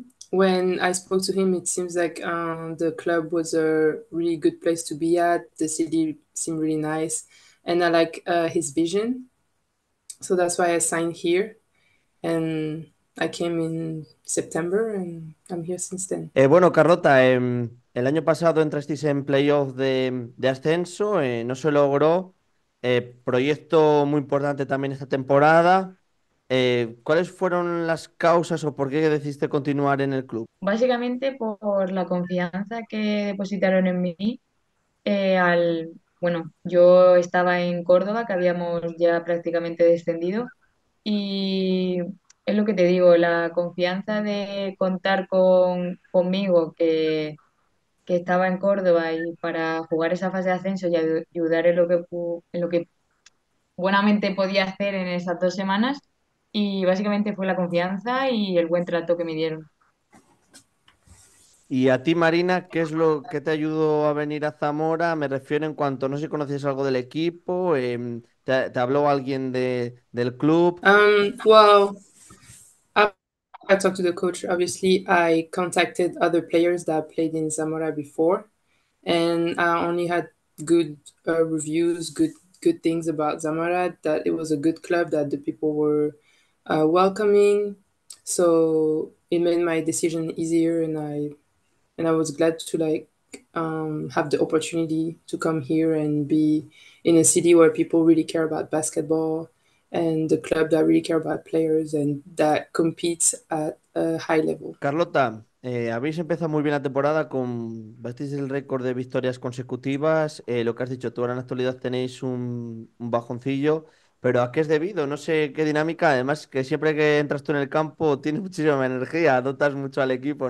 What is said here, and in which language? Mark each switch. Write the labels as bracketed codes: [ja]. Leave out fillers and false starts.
[en] When I spoke to him, it seems like the club was a really good place to be at. The city seemed really nice, and I like his vision. So that's why I signed here, and I came in September, and I'm here since then. [es] Bueno, Carlota, el año pasado entrasteis en playoff de ascenso, no se logró. Proyecto muy importante también esta temporada. ¿Cuáles fueron las causas o por qué decidiste continuar en el club? Básicamente por la confianza que depositaron en mí. Bueno, yo estaba en Córdoba, que habíamos ya prácticamente descendido. Y es lo que te digo, la confianza de contar conmigo, que estaba en Córdoba y para jugar esa fase de ascenso y ayudar en lo que buenamente podía hacer en esas 2 semanas. Y básicamente fue la confianza y el buen trato que me dieron. Y a ti, Marina, ¿qué es lo que te ayudó a venir a Zamora? Me refiero en cuanto, no sé si conoces algo del equipo, ¿te habló alguien del club? [en] Well, I talked to the coach. Obviously, I contacted other players that played in Zamora before, and I only had good reviews, good things about Zamora, that it was a good club, that the people were welcoming. So it made my decision easier, and I was glad to have the opportunity to come here and be in a city where people really care about basketball. And the club that really care about players and that competes at a high level. [es] Carlota, habéis empezado muy bien la temporada con batisteis el récord de victorias consecutivas. Lo que has dicho, tú ahora en la actualidad tenéis un bajoncillo, pero ¿a qué es debido? No sé qué dinámica. Además, que siempre que entras tú en el campo tienes muchísima energía, dotas mucho al equipo.